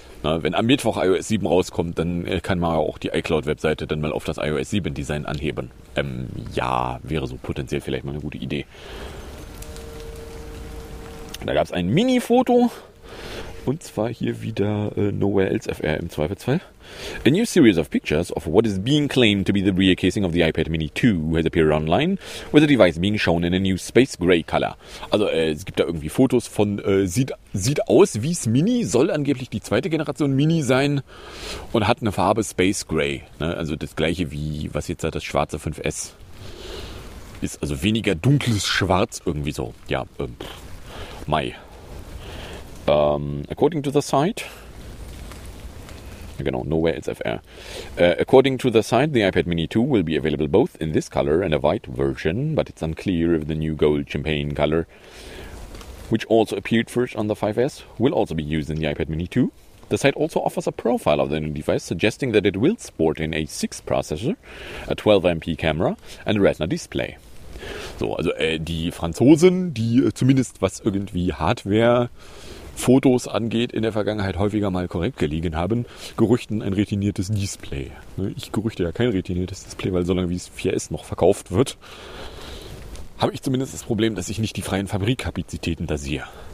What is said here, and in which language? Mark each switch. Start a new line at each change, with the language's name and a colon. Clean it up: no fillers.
German: Na, wenn am Mittwoch iOS 7 rauskommt, dann kann man auch die iCloud-Webseite dann mal auf das iOS 7 Design anheben. Ja, wäre so potenziell vielleicht mal eine gute Idee. Da gab es ein Mini-Foto. Und zwar hier wieder Nowhere Else FR im Zweifelsfall.
English: A new series of pictures of what is being claimed to be the rear casing of the iPad Mini 2 has appeared online, with the device being shown in a new space gray color.
German: Also es gibt da irgendwie Fotos von, sieht aus wie es Mini, soll angeblich die zweite Generation Mini sein und hat eine Farbe Space Gray. Ne? Also das gleiche wie, was jetzt das schwarze 5S ist. Also weniger dunkles Schwarz irgendwie so. Ja, Mai.
English: According to the site, genau, Nowhere Else FR. According to the site, the iPad Mini 2 will be available both in this color and a white version, but it's unclear if the new gold champagne color, which also appeared first on the 5S, will also be used in the iPad Mini 2. The site also offers a profile of the new device, suggesting that it will sport an A6 processor, a 12MP camera and a Retina display.
German: So, also die Franzosen, die zumindest was irgendwie Hardware Fotos angeht, in der Vergangenheit häufiger mal korrekt gelegen haben, gerüchten ein retiniertes Display. Ich gerüchte ja kein retiniertes Display, weil solange wie es 4S noch verkauft wird, habe ich zumindest das Problem, dass ich nicht die freien Fabrikkapazitäten da sehe.